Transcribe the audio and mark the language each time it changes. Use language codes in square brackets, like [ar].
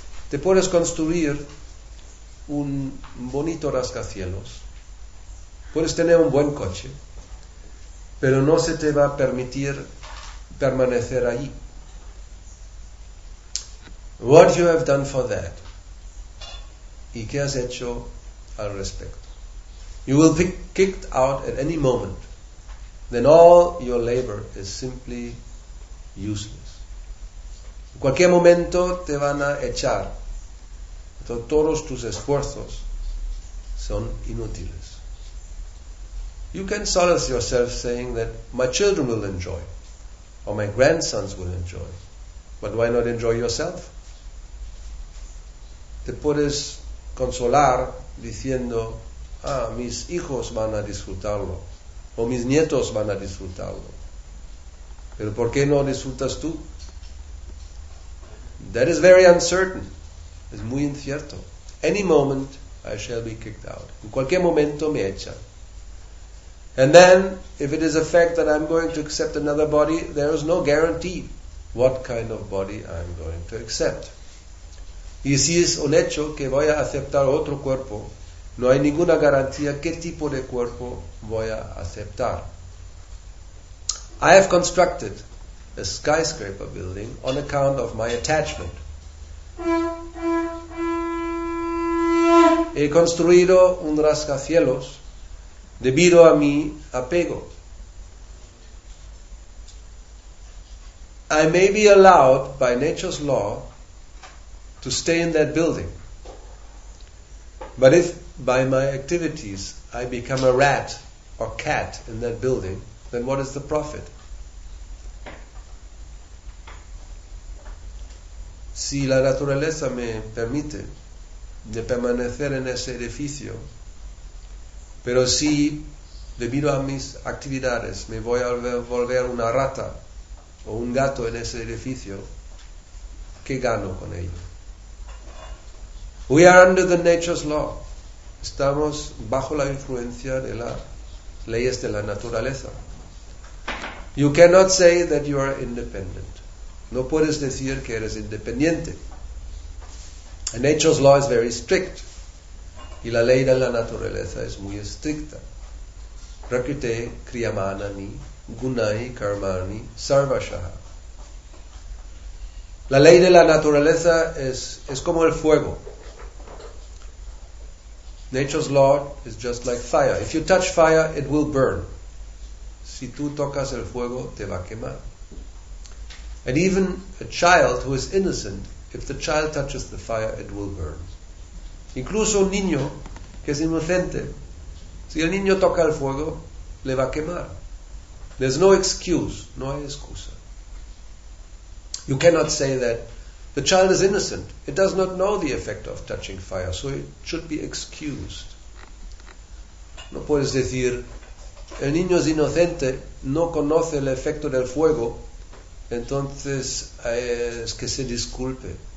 [es] Te puedes construir un bonito rascacielos, puedes tener un buen coche, pero no se te va a permitir permanecer ahí. [en] What you have done for that? [es] ¿Y qué has hecho al respecto? [en] You will be kicked out at any moment. Then all your labor is simply useless. [es] En cualquier momento te van a echar. Entonces todos tus esfuerzos son inútiles. [en] You can solace yourself saying that my children will enjoy, or my grandsons will enjoy. But why not enjoy yourself? [es] te puedes consolar diciendo, ah, mis hijos van a disfrutarlo, o mis nietos van a disfrutarlo. Pero ¿por qué no disfrutas tú? [en] That is very uncertain. [es] Es muy incierto. [en] Any moment I shall be kicked out. [es] En cualquier momento me echan. [en] And then, if it is a fact that I'm going to accept another body, there is no guarantee what kind of body I'm going to accept. [es] Y si es un hecho que voy a aceptar otro cuerpo, no hay ninguna garantía qué tipo de cuerpo voy a aceptar. [en] I have constructed a skyscraper building on account of my attachment. [es] He construido un rascacielos debido a mi apego. [en] I may be allowed by nature's law to stay in that building. But if by my activities I become a rat or cat in that building, then what is the profit? [es] Si la naturaleza me permite de permanecer en ese edificio, pero si debido a mis actividades me voy a volver una rata o un gato en ese edificio, ¿qué gano con ello? [en] We are under the nature's law. [es] Estamos bajo la influencia de las leyes de la naturaleza. [en] You cannot say that you are independent. [es] No puedes decir que eres independiente. [en] And nature's law is very strict. [es] Y la ley de la naturaleza es muy estricta. [sa] Prakrite kriyamanani gunai karmani sarvashaha. [es] La ley de la naturaleza es como el fuego. [en] Nature's law is just like fire. If you touch fire, it will burn. [es] Si tú tocas el fuego, te va a quemar. [en] And even a child who is innocent, if the child touches the fire, it will burn. [es] Incluso un niño que es inocente, si el niño toca el fuego, le va a quemar. [en] There's no excuse, [es] no hay excusa. [en] You cannot say that the child is innocent. It does not know the effect of touching fire, so it should be excused. [es] No puedes decir, el niño es inocente, no conoce el efecto del fuego, entonces es que se disculpe.